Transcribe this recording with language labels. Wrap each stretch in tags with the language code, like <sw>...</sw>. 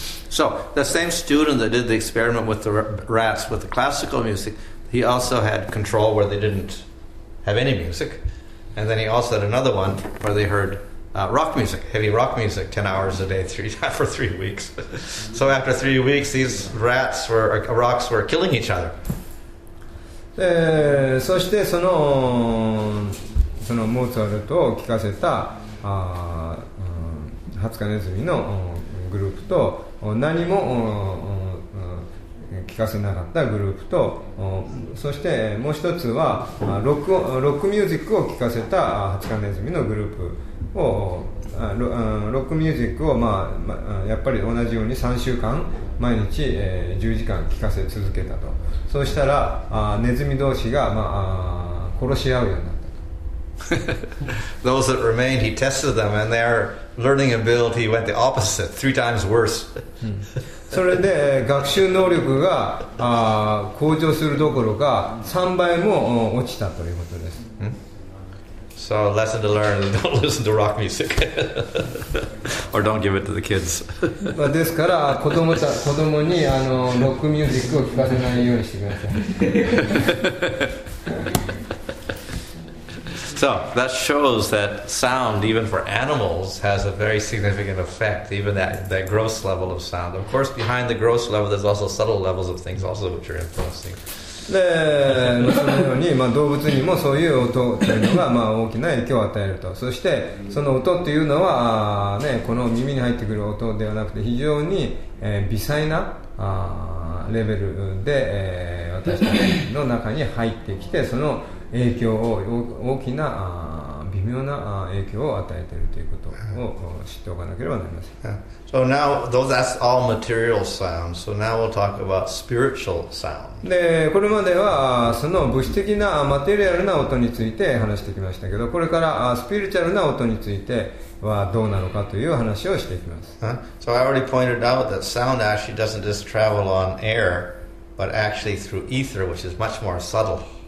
<en>So the same student that did the experiment with the rats with the classical music, he also had control where they didn't have any music, and then he also had another one where they heard rock music, heavy rock music, 10 hours a day, for 3 weeks. So after 3 weeks, these rocks were killing each other.</en> <ja>そしてそのモーツァルトを聴かせたハツカネズミのグループと、何も聴かせなかったグループと、そしてもう一つはロックミュージックを聴かせたハツカネズミのグループを、ロックミュージックを、まあ、やっぱり同じように3週間毎日、10時間聴かせ続けたと。そうしたらネズミ同士が、まあ、殺し合うようになった。</ja> <en>Those that remained, he tested them, and their learning ability went the opposite, 3 times worse.</en> <ja>それで学習能力が向上するどころか3倍も落ちたということです。</ja> <en>So lesson to learn: don't listen to rock music, or don't give it to the kids.</en> <ja>ですから子供にロックミュージックを聞かせないようにしてください。</ja> <en>So that shows that sound, even for animals, has a very significant effect, even that gross level of sound. Of course, behind the gross level, there's also subtle levels of things also which are influencing.</en> <ja>そのように、まあ、動物にもそういう音というのが、まあ、大きな影響を与えると。そしてその音というのは、ね、この耳に入ってくる音ではなくて非常に、微細なレベルで、私たちの中に入ってきて、その影響を大きな微妙な影響を与えているということを知っておかなければなりません。</ja> <en>So now, though that's all material sound, so now we'll talk about spiritual sound.</en> <ja>で、これまではその物質的なマテリアルな音について話してきましたけど、これからスピリチュアルな音についてはどうなのかという話をしていきます。</ja> <en>So I already pointed out that sound actually doesn't just travel on air, but actually through ether, which is much more subtle.</en>